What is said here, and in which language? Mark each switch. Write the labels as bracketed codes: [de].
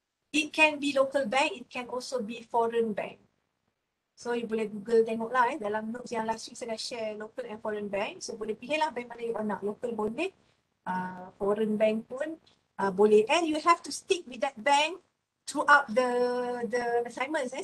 [en] It can be local bank, it can also be foreign bank. So you [ms] boleh Google tengok lah eh. Dalam [en] notes [ms] yang [en] last week [ms] saya dah [en] share local and foreign bank. [ms] So boleh pilih lah bank mana [en] you [ms] nak. Local boleh, [en] foreign bank [ms] pun boleh. [en] And you have to stick with that bank throughout the assignments eh.